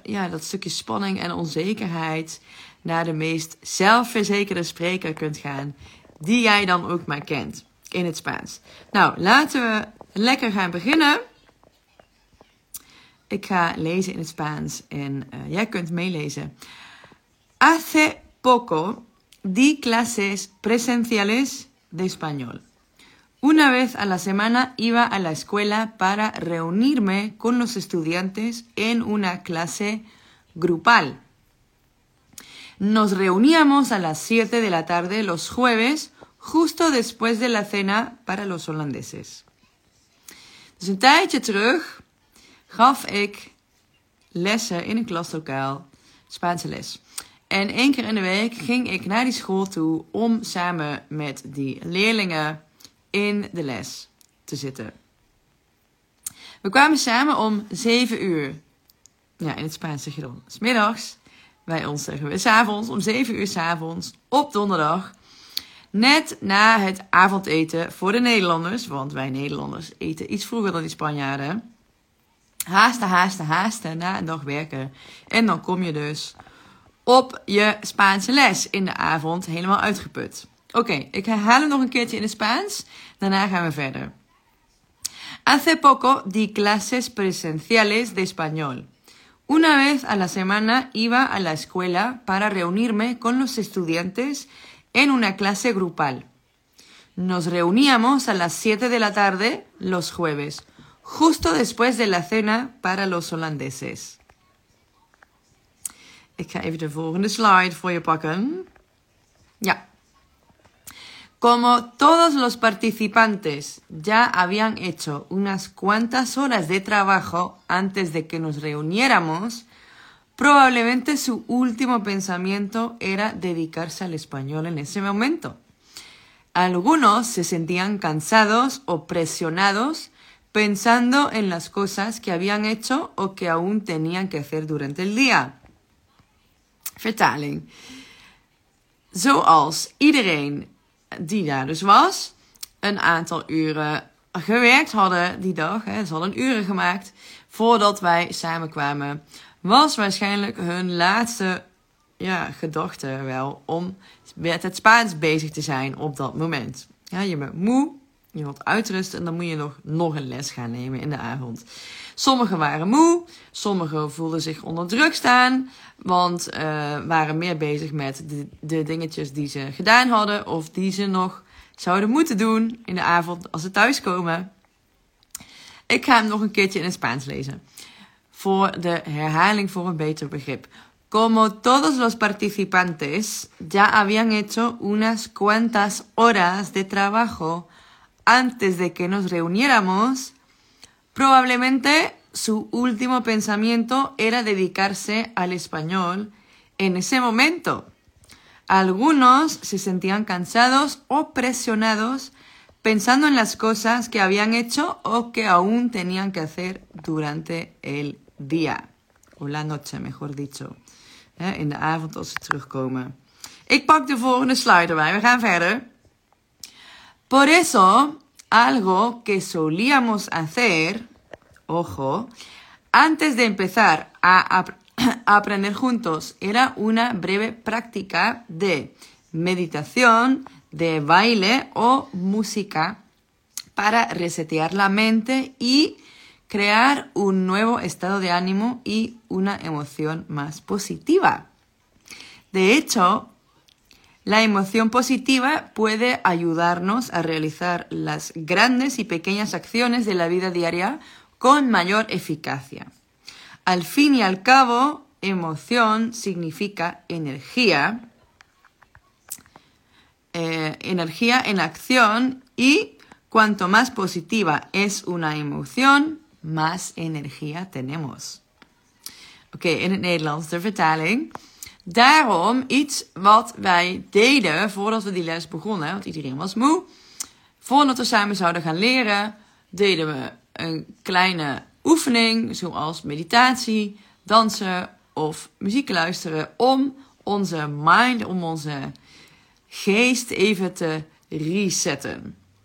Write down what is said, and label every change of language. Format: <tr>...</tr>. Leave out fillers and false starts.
<nl>dat stukje spanning en onzekerheid naar de meest zelfverzekerde spreker kunt gaan, die jij dan ook maar kent in het Spaans. Nou, laten we lekker gaan beginnen. Ik ga lezen in het Spaans en jij kunt meelezen.</nl> <es>Hace poco di clases presenciales de español. Una vez a la semana iba a la escuela para reunirme con los estudiantes en una clase grupal. Nos reuníamos a las 7 de la tarde los jueves, justo después de la cena para los holandeses.</es> <nl>Dus een tijdje terug gaf ik lessen in een klaslokaal, Spaanse les. En één keer in de week ging ik naar die school toe om samen met die leerlingen in de les te zitten. We kwamen samen om 7 uur. Ja, in het Spaans zeg je dan 's middags. Bij ons zeggen we 's avonds, om 7 uur 's avonds op donderdag. Net na het avondeten voor de Nederlanders, want wij Nederlanders eten iets vroeger dan die Spanjaarden. Haasten, na een dag werken. En dan kom je dus op je Spaanse les in de avond, helemaal uitgeput. Oké, ik herhaal hem nog een keertje in het Spaans, daarna gaan we verder. Hace poco di clases presenciales de español. Una vez a la semana iba a la escuela para reunirme con los estudiantes en una clase grupal. Nos reuníamos a las 7 de la tarde los jueves, justo después de la cena para los holandeses. Ik ga even de volgende slide voor je pakken. Ja.</nl> <es>Como todos los participantes ya habían hecho unas cuantas horas de trabajo antes de que nos reuniéramos, probablemente su último pensamiento era dedicarse al español en ese momento. Algunos se sentían cansados o presionados pensando en las cosas que habían hecho o que aún tenían que hacer durante el día.</es> <nl>Vertaling. Zoals iedereen die daar dus was, een aantal uren gewerkt hadden die dag, hè, ze hadden uren gemaakt, voordat wij samenkwamen, was waarschijnlijk hun laatste gedachte wel om met het Spaans bezig te zijn op dat moment. Ja, je bent moe, je wilt uitrusten en dan moet je nog een les gaan nemen in de avond. Sommigen waren moe, sommigen voelden zich onder druk staan, want waren meer bezig met de dingetjes die ze gedaan hadden of die ze nog zouden moeten doen in de avond als ze thuiskomen. Ik ga hem nog een keertje in het Spaans lezen. Voor de herhaling, voor een beter begrip.</nl> <es>Como todos los participantes ya habían hecho unas cuantas horas de trabajo antes de que nos reuniéramos, probablemente su último pensamiento era dedicarse al español en ese momento. Algunos se sentían cansados o presionados pensando en las cosas que habían hecho o que aún tenían que hacer durante el día. O la noche, mejor dicho.</es> <nl>En de avond als ze terugkomen. Ik pak de volgende slide erbij. We gaan verder.</nl> <es>Por eso, algo que solíamos hacer, ojo, Antes de empezar a aprender juntos, era una breve práctica de meditación, de baile o música para resetear la mente y crear un nuevo estado de ánimo y una emoción más positiva. De hecho, la emoción positiva puede ayudarnos a realizar las grandes y pequeñas acciones de la vida diaria con mayor eficacia. Al fin y al cabo, emoción significa energía, energía en acción, y cuanto más positiva es una emoción, más energía tenemos.</es> <nl>Ok, en het Nederlands de vertaling. Daarom iets wat wij deden voordat we die les begonnen, want iedereen was moe. Voordat we samen zouden gaan leren, deden we een kleine oefening, zoals meditatie, dansen of muziek luisteren, om onze mind, om onze geest even te resetten.</nl>